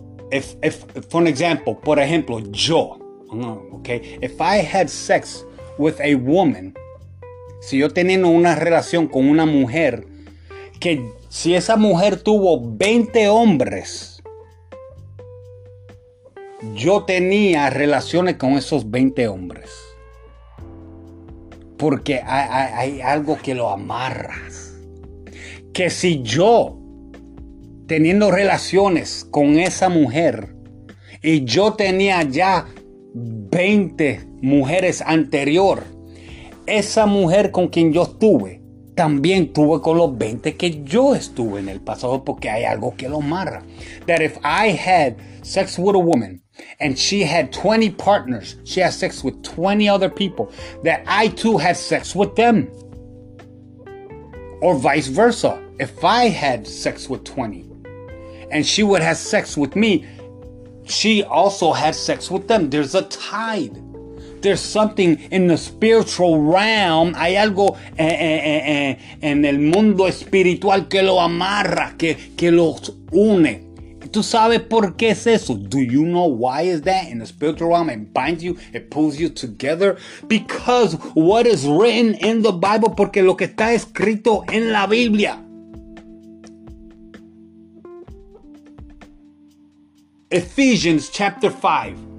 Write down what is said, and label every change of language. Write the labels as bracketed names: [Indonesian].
[English] if for an example, [Spanish] por ejemplo, yo, [English] okay, if I had sex with a woman, [Spanish] Si yo teniendo una relación con una mujer, que si esa mujer tuvo 20 hombres, yo tenía relaciones con esos 20 hombres. Porque hay algo que lo amarras. Que si yo, teniendo relaciones con esa mujer, y yo tenía ya 20 mujeres anterior, esa mujer con quien yo estuve, también tuve con los 20 que yo estuve en el pasado, porque hay algo que lo amarra. [English] That if I had sex with a woman, and she had 20 partners, she has sex with 20 other people, that I too had sex with them. Or vice versa. If I had sex with 20, and she would have sex with me, she also had sex with them. There's a tide. There's something in the spiritual realm. [Spanish] Hay algo en el mundo espiritual que lo amarra, que los une. ¿Tú sabes por qué es eso? [English] Do you know why is that? In the spiritual realm, it binds you, it pulls you together. Because what is written in the Bible, [Spanish] porque lo que está escrito en la Biblia, [English] Ephesians chapter 5.